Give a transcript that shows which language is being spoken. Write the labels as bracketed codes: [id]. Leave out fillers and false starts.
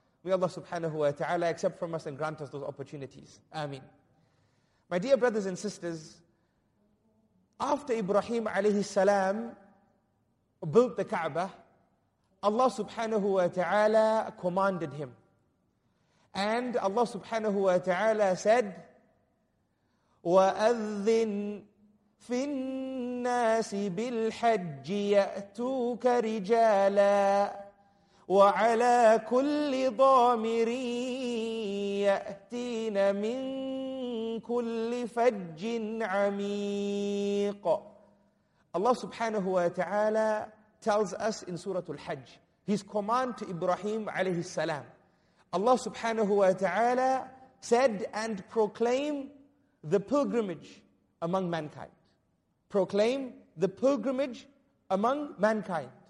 [en] May Allah subhanahu wa ta'ala accept from us and grant us those opportunities. Ameen. My dear brothers and sisters, after Ibrahim alayhi salam built the Kaaba, Allah subhanahu wa ta'ala commanded him. And Allah subhanahu wa ta'ala said, [ar] وَأَذِّنْ فِي النَّاسِ بِالْحَجِّ يَأْتُوكَ رِجَالًا وَعَلَى كُلِّ ضَامِرٍ يَأْتِينَ مِنْ كُلِّ فَجٍّ عَمِيقٍ. [en] Allah subhanahu wa ta'ala tells us in Surah Al-Hajj, his command to Ibrahim alayhi salam. Allah subhanahu wa ta'ala said and proclaim the pilgrimage among mankind. Proclaim the pilgrimage among mankind.